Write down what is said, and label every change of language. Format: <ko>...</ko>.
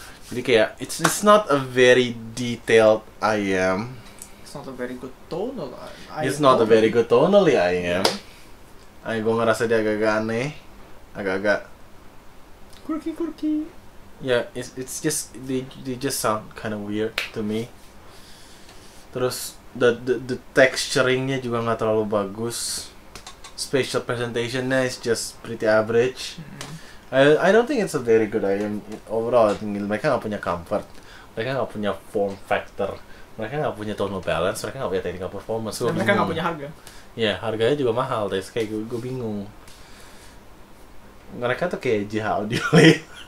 <id>Jadi kayak,</id> <en>it's not a very detailed IM. It's not a very good tonal IM. It's not a very good tonal IM. Yeah.</en> <id>Ayo, gue ngerasa dia agak-agak aneh, agak-agak</id> <en>quirky. Yeah, it's just they just sound kind of weird to me.</en> <id>Terus the texturingnya juga nggak terlalu bagus.</id> <en>Spatial presentationnya is just pretty average. I don't think it's a very good item overall. I think</en> <id>mereka nggak punya comfort, mereka nggak punya form factor, mereka nggak punya tonal balance, mereka nggak punya technical performance. Dan mereka nggak punya harga. Ya, yeah, harganya juga mahal, tapi kayak gue bingung. Mereka tuh kayak JH Audio Lab.</id>